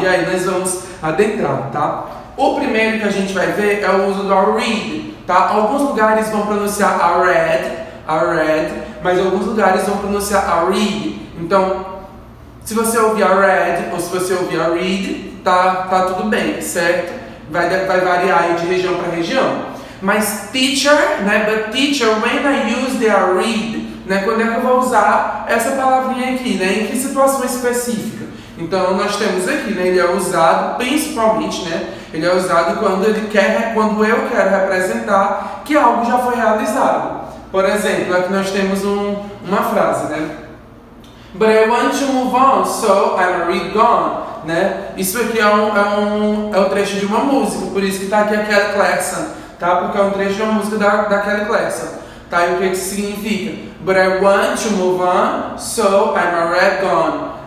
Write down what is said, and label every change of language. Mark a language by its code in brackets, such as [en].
[pt] E aí nós vamos adentrar, tá? O primeiro que a gente vai ver é o uso do already, tá? Alguns lugares vão pronunciar already, mas alguns lugares vão pronunciar already. Então, se você ouvir already ou se você ouvir already, tá tudo bem, certo? Vai variar aí de região para região. Mas teacher, né? [en] But teacher, when I use the read, né? [pt] Quando é que eu vou usar essa palavrinha aqui, né? Em que situação específica? Então, nós temos aqui, né? Ele é usado principalmente, né? Ele é usado quando eu quero representar que algo já foi realizado. Por exemplo, aqui nós temos uma frase, né? [en] But I want to move on, so I'm already gone, né? [pt] Isso aqui é um trecho de uma música, por isso que está aqui a Kelly Clarkson. Tá? Porque é um trecho de uma música da Kelly Clarkson. Tá? E o que isso significa? [en] But I want to move on, so I'm already gone.